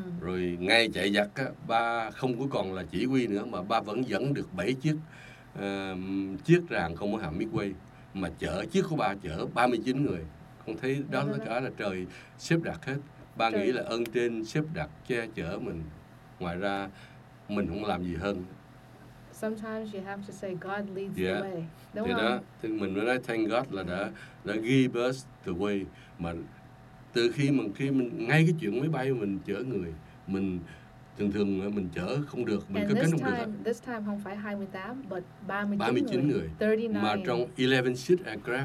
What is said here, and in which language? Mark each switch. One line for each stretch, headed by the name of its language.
Vietnamese: Rồi ngay chạy giặc á, ba không có còn là chỉ huy nữa mà ba vẫn dẫn được 7 chiếc chiếc ràng không có hạm Midway mà chở chiếc của ba chở 39 người. Con thấy đó là cả là trời xếp đặt hết. Ba trời. Nghĩ là ơn trên xếp đặt che chở mình. Ngoài ra mình không làm gì hơn.
English: Sometimes you have to say God leads the way.
Vietnamese: Đúng thì không? Đó, thì mình mới nói
English: thank God
Vietnamese: là đã
English: give us the way.
Vietnamese: Mà từ khi mình ngay cái chuyện máy bay mình chở người, mình thường thường mình chở không được, mình cứ cánh không được.
English: This time
Vietnamese: không phải
English: 28 but 39
Vietnamese: người. 39. Mà trong 11
English: seat aircraft.